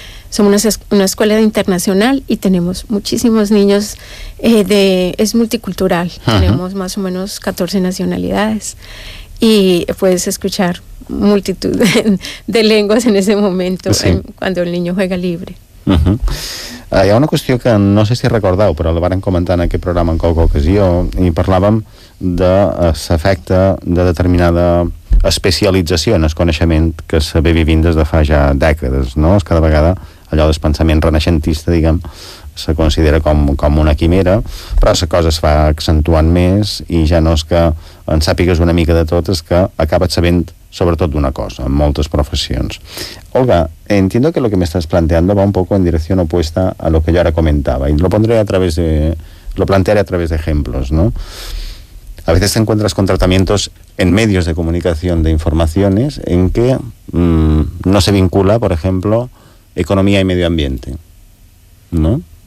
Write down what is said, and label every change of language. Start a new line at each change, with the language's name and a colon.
Spanish: Somos una escuela internacional y tenemos muchísimos niños. Es multicultural. Uh-huh. Tenemos más o menos 14 nacionalidades. Y puedes escuchar multitud de lenguas en ese momento. Sí. Cuando el niño juega libre. Uh-huh.
Catalan: Hi ha una qüestió que no sé si recordeu, però la vàrem comentar en aquest programa en qualque ocasió, i parlàvem de l'efecte de determinada especialització en el coneixement que se ve vivint des de fa ja dècades, no? Cada vegada allò del pensament renaixentista, diguem, se considera com una quimera, però la cosa es fa accentuant més i ja no és que en sàpigues una mica de tot, és que acabes sabent sobretot d'una cosa, en moltes professions.
Spanish: Olga, entiendo que lo que me estás planteando va un poco en dirección opuesta a lo que yo ahora comentaba, y lo plantearé a través de ejemplos, ¿no? A veces te encuentras con tratamientos en medios de comunicación de informaciones en que no se vincula, por ejemplo, economía y medio ambiente, ¿no?